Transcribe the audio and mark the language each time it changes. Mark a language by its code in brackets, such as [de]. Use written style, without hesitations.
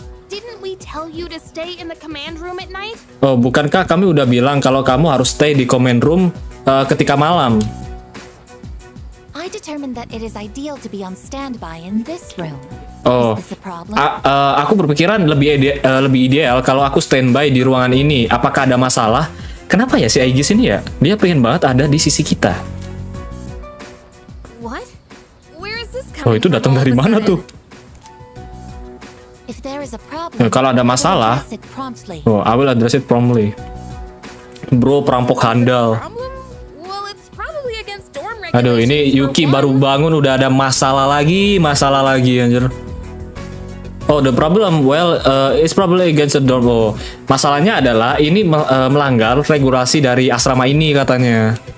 [en] Didn't we tell you to stay in the command room at night? [id] Oh, bukankah kami udah bilang kalau kamu harus stay di command room ketika malam? [en] I determined that it is ideal to be on standby in this room. Oh. [id] Aku berpikiran lebih ideal kalau aku standby di ruangan ini. Apakah ada masalah? Kenapa ya si Aegis ini ya? Dia pengen banget ada di sisi kita. [en] What? Where is this [id] coming? Oh, itu datang dari mana tuh? [en] If there is a problem. [id] Kalau ada masalah, oh, [en] I will address it promptly. [id] Bro, perampok handal. [en] Well, it's probably against dorm regulations. [id] Aduh, ini Yuki baru bangun udah ada masalah lagi anjir. [en] Oh, the problem, well, it's probably against the dorm. [id] Oh, masalahnya adalah ini melanggar regulasi dari asrama ini katanya.